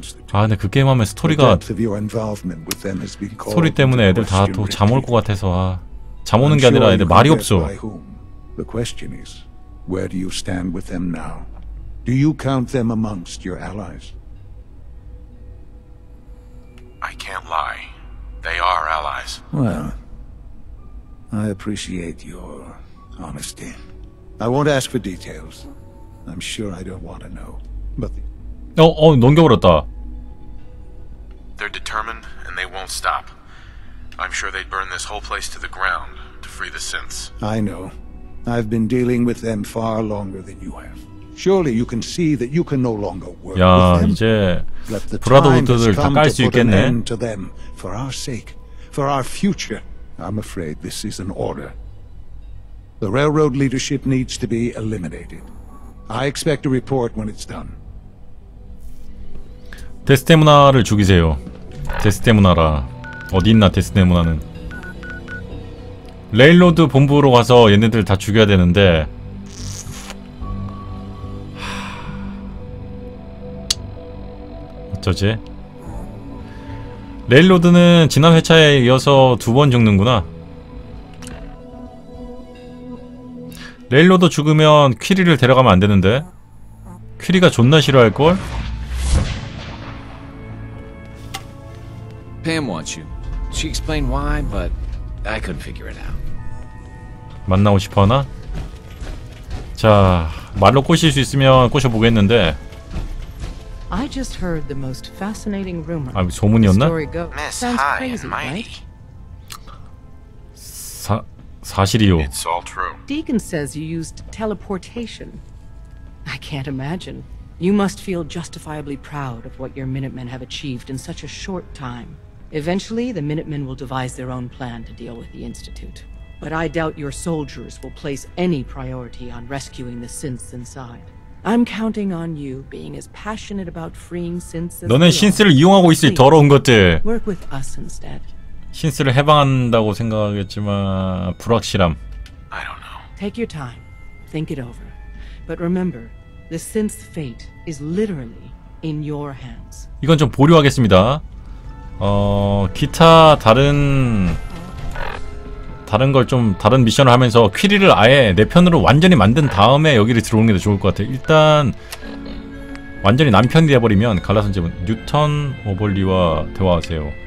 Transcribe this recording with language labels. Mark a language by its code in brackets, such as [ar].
[ko] 아, 근데 그 게임 하면 스토리가 스토리 때문에 애들 다 또 잠 올 것 같아서 아, 잠 오는 게 아니라 애들 말이 없어. [en] The question is, where do you stand with them now? Do you count them amongst your allies? I can't lie. They are allies. Well, I appreciate your honesty. I won't ask for details. I'm sure I don't want to know. But [ko] the... 넘겨버렸다. [en] They're determined, and they won't stop. I'm sure they'd burn this whole place to the ground to free the synths. I know. I've been dealing with them far longer than you have. Surely you can see that you can no longer work with them. Let the time come to put an end to them for our sake, for our future. I'm afraid this is an order. The railroad leadership needs to be eliminated. I expect a report when it's done. [ko] 데스데모나를 죽이세요. 데스데모나라 어디 있나 데스데모나는. 레일로드 본부로 가서 얘네들 다 죽여야 되는데. 어쩌지? 레일로드는 지난 회차에 이어서 두 번 죽는구나. 레일로드 죽으면 퀴리를 데려가면 안 되는데. 퀴리가 존나 싫어할걸? [en] Pam wants you. She explained why, but I couldn't figure it out. [ko] 만나고 싶어하나? 자, 말로 꼬실 수 있으면 꼬셔보겠는데. [en] I just heard the most fascinating rumor. [ko] 아, 소문이었나? [en] Miss, sounds crazy, right? [ko] 사실이요. [en] It's all true. Deacon says you used teleportation. I can't imagine. You must feel justifiably proud of what your Minutemen have achieved in such a short time. Eventually, the Minutemen will devise their own plan to deal with the Institute. But I doubt your soldiers will place any priority on rescuing the synths inside. I'm counting on you being as passionate about freeing synths as you. [ko] 너는 신스를 이용하고 있을 더러운 것들. [en] Work with us instead. [ko] 신스를 해방한다고 생각하겠지만 불확실함. [en] I don't know. Take your time. Think it over. But remember, the synths' fate is literally in your hands. [ko] 이건 좀 보류하겠습니다. 기타 다른 걸 좀 다른 미션을 하면서 퀴리를 아예 내 편으로 완전히 만든 다음에 여기를 들어오는 게 더 좋을 것 같아. 일단 완전히 남 편이 돼버리면 갈라선 집은 뉴턴 오벌리와 대화하세요.